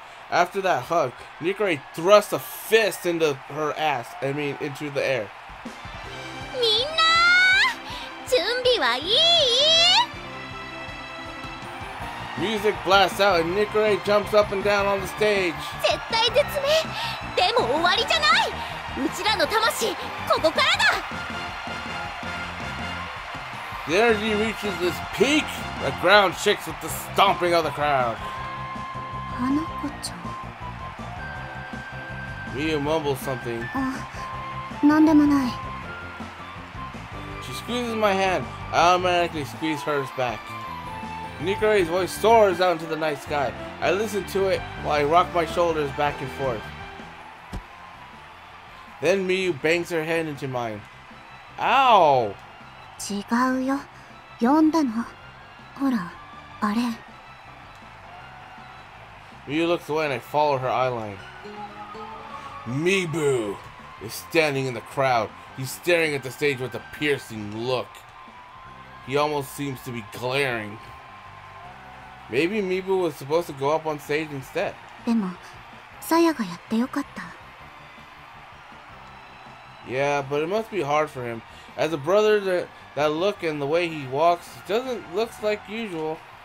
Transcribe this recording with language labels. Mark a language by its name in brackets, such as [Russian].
[English] After that hug, Nikore thrusts a fist into her ass, I mean, into the air. [Japanese] Minna! 準備はいい? [English] Music blasts out and Nikore jumps up and down on the stage. [Japanese] 絶対絶命!でも終わりじゃない! うちらの魂、ここからだ! [English] The energy reaches its peak. The ground shakes with the stomping of the crowd. Hanako-chan. Miu mumbles something. [Japanese] Nandemonai. [English] She squeezes my hand. I automatically squeeze hers back. Nikore's voice soars out into the night sky. I listen to it while I rock my shoulders back and forth. Then Miu bangs her hand into mine. Ow! [Japanese] 違うよ。読んだの。ほら、あれ。 [English] Miu looks away and I follow her eyeline. Mibu is standing in the crowd. He's staring at the stage with a piercing look. He almost seems to be glaring. Maybe Mibu was supposed to go up on stage instead. [Japanese] でも、サヤがやってよかった。 [English] Yeah, but it must be hard for him. As a brother, that look and the way he walks doesn't look like usual.